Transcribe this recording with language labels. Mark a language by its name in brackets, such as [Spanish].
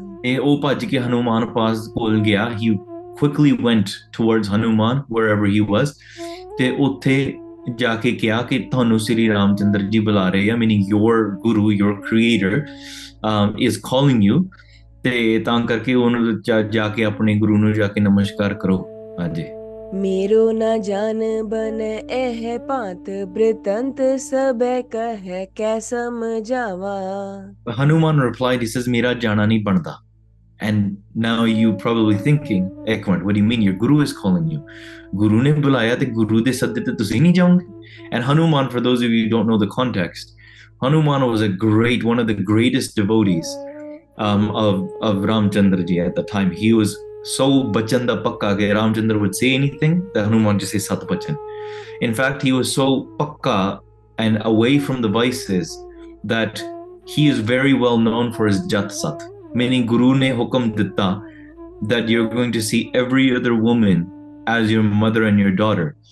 [Punjabi] eh oh bhaj ke Hanuman paas kol gaya, [English] he quickly went towards Hanuman wherever he was, [Punjabi] te utthe ja ke kiya ki tuhanu Sri Ramchandra ji bula rahe hai, [English] meaning your guru, your creator is calling you, [Punjabi] ਤੇ ਤਾਂ ਕਰਕੇ ਉਹਨੂੰ ਜਾ ਕੇ ਆਪਣੇ ਗੁਰੂ ਨੂੰ ਜਾ ਕੇ ਨਮਸਕਾਰ ਕਰੋ। ਹਾਂਜੀ [Braj] ਮੇਰੋ ਨਾ ਜਾਨ ਬਨ ਇਹ ਭਾਂਤ ਬ੍ਰਿਤੰਤ ਸਭੈ ਕਹੈ ਕੈ ਸਮਝਾਵਾ, [English] Hanuman reply this is [Punjabi] ਮੇਰਾ ਜਾਣਾ ਨਹੀਂ ਬਣਦਾ, [English] and now you probably thinking [Punjabi] ਇੱਕ minute [English] what you mean your guru is calling you, [Punjabi] ਗੁਰੂ ਨੇ ਬੁਲਾਇਆ ਤੇ ਗੁਰੂ ਦੇ ਸੱਦੇ ਤੇ ਤੁਸੀਂ ਨਹੀਂ ਜਾਓਗੇ, [English] And Hanuman for those of you don't know the context, Hanuman was a great one of the greatest devotees of Ramchandar ji at the time. He was so [Punjabi] bachan da pakka [English] ke Ramchandar would say anything that Hanuman just say sat bachan. In fact, he was so pakka and away from the vices that he is very well known for his jat sat, meaning [Punjabi] guru ne hukam ditta [English] that you're going to see every other woman as your mother and your daughter.